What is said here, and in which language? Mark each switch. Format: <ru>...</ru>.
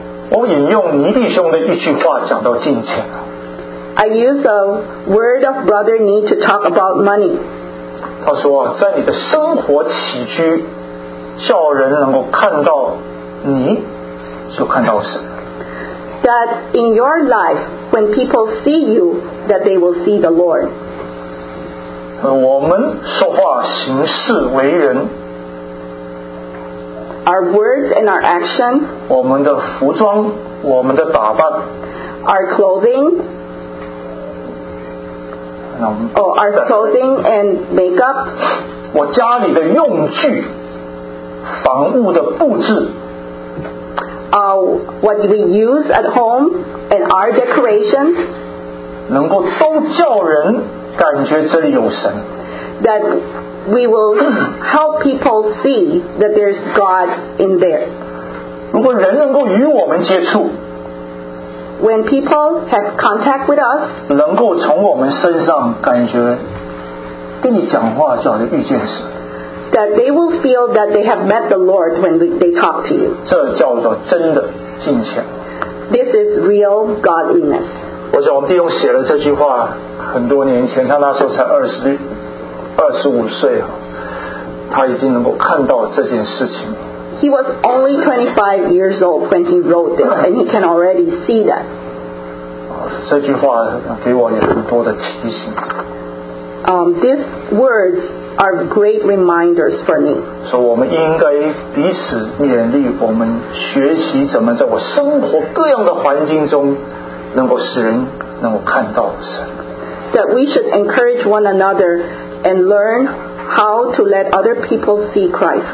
<zh>我引用尼弟兄的一句话讲到敬虔。</zh> <en>I use a word of brother Nee to talk about money.</en> <zh>他说啊，在你的生活起居叫人能够看到你，就看到神。</zh> <en>That in your life, when people see you, that they will see the Lord.</en> <zh>我们说话、行事、为人</zh> <en>，our words and our action，</en> <zh>我们的服装、我们的打扮</zh> <en>，our clothing， our clothing and makeup，</en> <zh>我家里的用具。房屋的布置</zh> <en>what we use at home and our decorations</en> <zh>能够都叫人感觉这里有神</zh> <en>that we will help people see that there's God in there</en> <zh>如果人能够与我们接触</zh> <en>when people have contact with us</en> <zh>能够从我们身上感觉跟你讲话叫你遇见神</zh> <en>That they will feel that they have met the Lord when they talk to you.</en> <zh>这叫做真的敬虔。</zh> <en>This is real godliness.</en> <zh>我想我弟兄写了这句话很多年前，他那时候才25岁，他已经能够看到这件事情。</zh> <en>He was only 25 years old when he wrote this, and he can already see that.</en> <zh>这句话给我有很多的提醒。</zh> <en>These words are great reminders for me. So we should encourage each other to learn how to see God in different environments so that people can see God. That we should encourage one another and learn how to let other people see Christ.</en>